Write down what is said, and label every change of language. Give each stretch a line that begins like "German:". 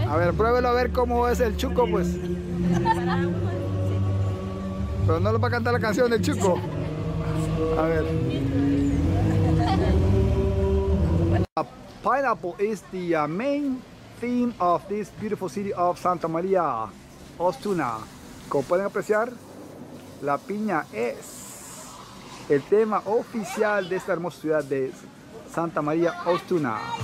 Spanish: A ver, pruébelo a ver cómo es el chuco, pues. Pero no lo va a cantar la canción del chuco. A ver.
English: Pineapple is the main theme of this beautiful city of Santa Maria, Osuna.
Spanish: Como pueden apreciar, la piña es el tema oficial de esta hermosa ciudad de Santa Maria, Osuna.